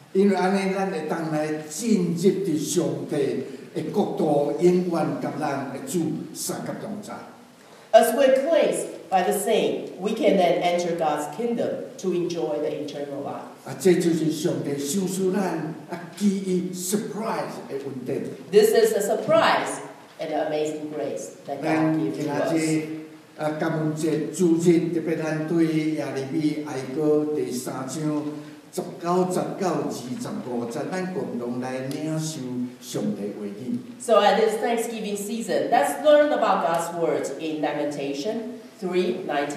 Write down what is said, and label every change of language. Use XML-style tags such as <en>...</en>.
<en>As we're cleansed by the saint, we can then enter God's kingdom to enjoy the eternal life. This is a surprise and an amazing grace that God gives to us.</en> <nan>感恩节主日，特别咱对耶利米哀歌第三章十九、十九至十五节，咱共同来领受上帝话语。</nan> <en>So at this Thanksgiving season, let's learn about God's words in Lamentation 3:19-25.</en>